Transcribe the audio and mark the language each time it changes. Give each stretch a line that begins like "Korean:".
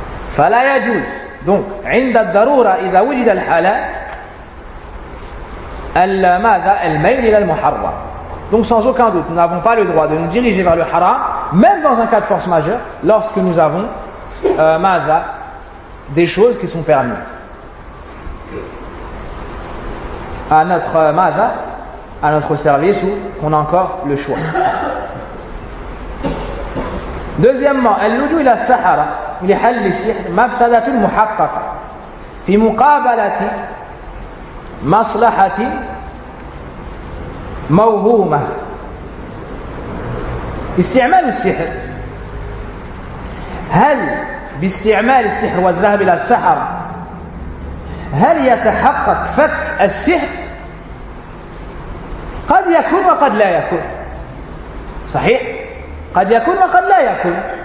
Arabic: فلا يجوز donc عند الضرورة إذا وجد الحالة ألا ماذا الميل إلى المحرم.
French: Donc sans aucun doute, nous n'avons pas le droit de nous diriger vers le haram, même dans un cas de force majeure, lorsque nous avons
Arabic: ماذا
French: des choses qui sont permises à notre ماذا à notre service ou qu'on a encore le choix.
Arabic: Deuxièmement, اللجوء إلى السحرة لحل السحر مفسدة محققة في مقابلة مصلحة موهومة. استعمال السحر، هل باستعمال السحر والذهاب إلى السحر هل يتحقق فك السحر؟ قد يكون وقد لا يكون، صحيح؟ قد يكون وقد لا يكون.